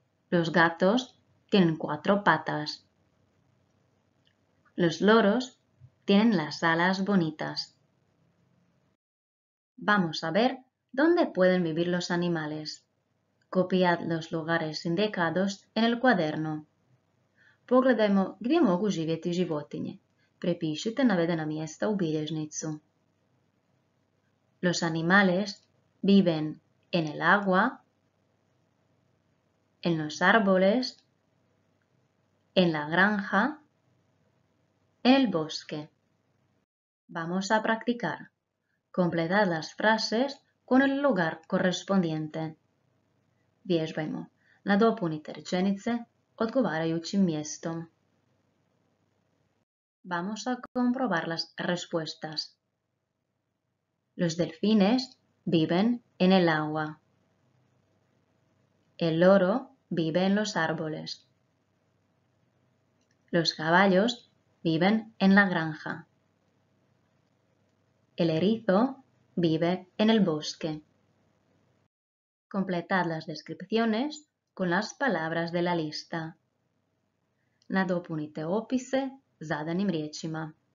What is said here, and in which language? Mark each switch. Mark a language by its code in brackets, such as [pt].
[es] Los gatos tienen cuatro patas. Los loros tienen las alas bonitas. Vamos a ver dónde pueden vivir los animales. Copiad los lugares indicados en el cuaderno. [hr] Pogledajmo gdje mogu živjeti životinje. Prepišite navedena mjesta u bilježnicu. [es] Los animales viven en el agua, en los árboles, en la granja, en el bosque. Vamos a practicar. Completad las frases con el lugar correspondiente. [hr] Vježbajmo. Nadopunite rečenice odgovarajućim mjestom. [es] Vamos a comprobar las respuestas. Los delfines viven en el agua. El loro vive en los árboles. Los caballos viven en la granja. El erizo vive en el bosque. Completad las descripciones con las palabras de la lista. [hr] Nadopunite opise zadanim riječima.